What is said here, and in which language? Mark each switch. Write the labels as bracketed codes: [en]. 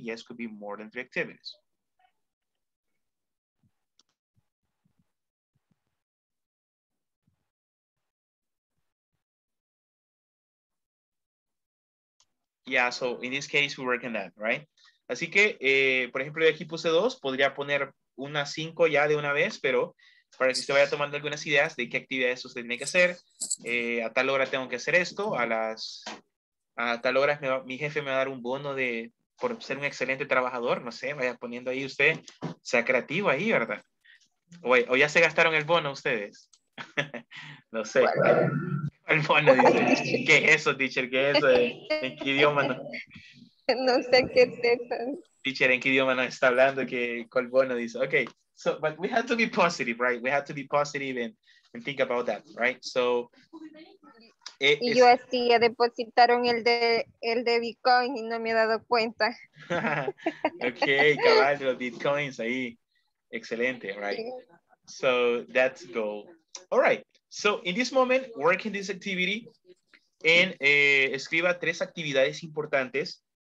[en] Yes, could be more than three activities. Yeah, so in this case, we're working that, right? [es] Así que, por ejemplo, aquí puse dos. Podría poner unas cinco ya de una vez, pero para que usted vaya tomando algunas ideas de qué actividades usted tiene que hacer. A tal hora tengo que hacer esto. A tal hora mi jefe me va a dar un bono de por ser un excelente trabajador. No sé, vaya poniendo ahí usted. Sea creativo ahí, ¿verdad? O ya se gastaron el bono ustedes. No sé. El bono, dice. ¿Qué es eso, teacher? ¿Qué es eso? ¿En qué idioma no? No sé qué es eso. Teacher, ¿en qué idioma no está hablando? ¿Qué, cuál bono dice? [en] Ok, so, but we have to be positive, right? We have to be positive and think about that, right? So, [es] y yo así ya depositaron el de Bitcoin y no me he dado cuenta. Ok, cabal, los Bitcoins ahí. Excelente, right? [en] So, that's goal. All right. So, in this moment, work in this activity and [es] escriba tres actividades importantes.